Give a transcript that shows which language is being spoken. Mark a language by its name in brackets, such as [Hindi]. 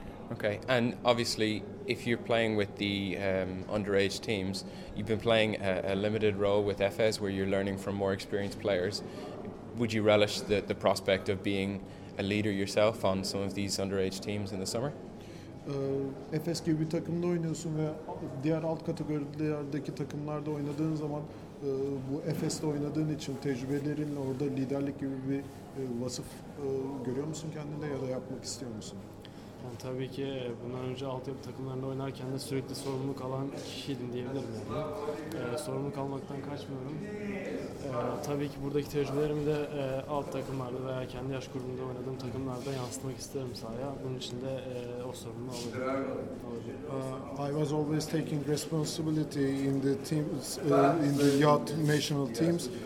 [English] Okay, and obviously, if you're playing with the underage teams, you've been playing a limited role with FS, where you're learning from more experienced players. Would you relish the prospect of being a leader yourself on some of these underage teams in the summer? [Turkish] FS gibi bir takımda oynuyorsun ve diğer alt kategorilerdeki takımlarda oynadığın zaman bu FS'te oynadığın için tecrübelerin orada liderlik gibi bir vasıf görüyor musun kendinde ya da yapmak istiyor musun? Yani tabii ki bundan önce altyapı takımlarında oynarken de sürekli sorumluluk alan kişiydim diyebilirim. Yani. Sorumluluk almaktan kaçmıyorum. Tabii ki buradaki tecrübelerimi de alt takımlarda veya kendi yaş grubunda oynadığım takımlarda yansıtmak isterim sahaya. Bunun için de o sorumluluğu alabilirim. [English] I was always taking responsibility in the team, in the yacht national teams.